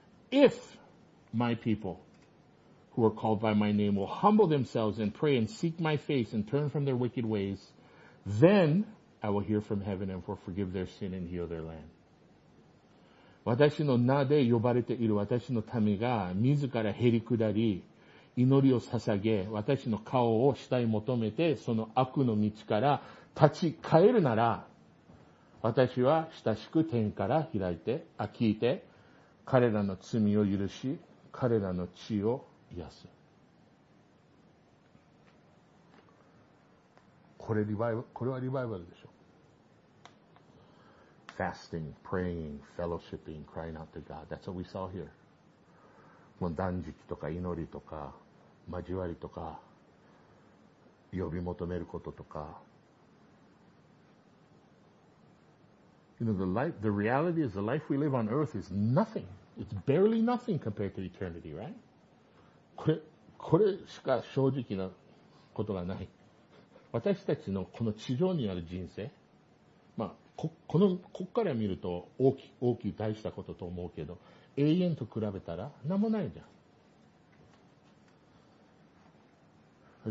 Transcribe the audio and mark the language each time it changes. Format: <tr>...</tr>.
<en>If my people who are called by my name will humble themselves and pray and seek my face and turn from their wicked ways, then... I will hear from heaven and forgive their sin and heal their land.</en> <ja>私の名で呼ばれている私の民が自らへり下り、祈りを捧げ、私の顔を慕い求めて、その悪の道から立ち返るなら、私は親しく天から聞いて、彼らの罪を許し、彼らの血を癒す。これはリバイバルでしょ。</ja> <en>Fasting, praying, fellowshipping, crying out to God. That's what we saw here.</en> <ja>この断食とか祈りとか交わりとか呼び求めることとか。</ja> <en>You know, the reality is the life we live on earth is nothing. It's barely nothing compared to eternity, right?</en> <ja>これしか正直なことがない。私たちのこの地上にある人生、まあ、ここから見ると大きい大したことと思うけど、永遠と比べたら何もないじゃん。</ja>